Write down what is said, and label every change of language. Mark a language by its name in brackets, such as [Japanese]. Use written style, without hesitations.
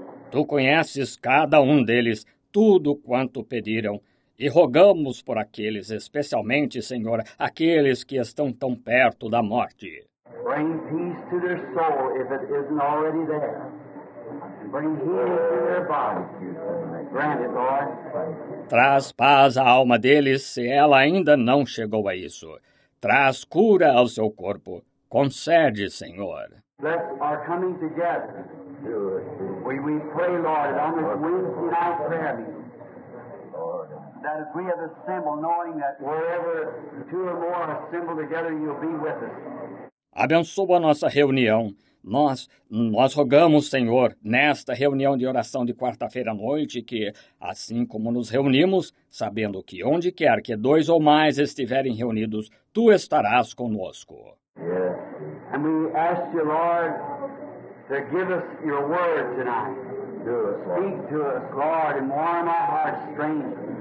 [Portuguese] Tu conheces cada um deles, tudo quanto pediram. E rogamos por aqueles, especialmente, Senhor, aqueles que estão tão perto da morte. [English] Bring peace to their soul if it isn't already there. Bring healing to their bodies. Grant it, Lord. [Portuguese] Traz paz à alma deles se ela ainda não chegou a isso. Traz cura ao seu corpo. Concede, Senhor. [English] Bless our coming together. We pray, Lord, on this Wednesday night prayer meeting. That as we have assembled, knowing that wherever two or more assemble together, you'll be with us. [Portuguese] Abençoa nossa reunião. Nós rogamos, Senhor, nesta reunião de oração de quarta-feira à noite, que, assim como nos reunimos, sabendo que onde quer que dois ou mais estiverem reunidos, tu estarás conosco. [English] Yes. And we ask you, Lord, to give us your word tonight. Speak to us, Lord, and warm our hearts strangely.